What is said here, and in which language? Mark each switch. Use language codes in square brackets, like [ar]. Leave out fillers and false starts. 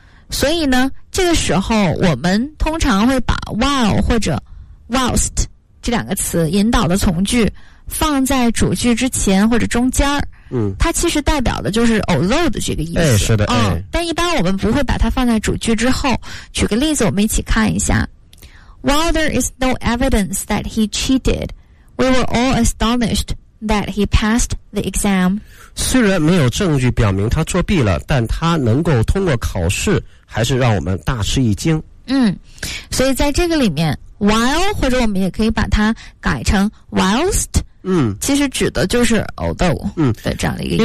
[zh] 所以呢这个时候我们通常会把 while 或者 whilst 这两个词引导的从句放在主句之前或者中间，它其实代表的就是 although 的这个意思。是的，但一般我们不会把它放在主句之后。举个例子我们一起看一下。 [en] While there is no evidence that he cheated, we were all astonished that he passed the exam. [zh] 虽然没有证据表明他作弊了，但他能够通过考试，还是让我们大吃一惊。所以在这个里面 while 或者我们也可以把它改成 whilst。其实指的就是 although 的这样的一个意思。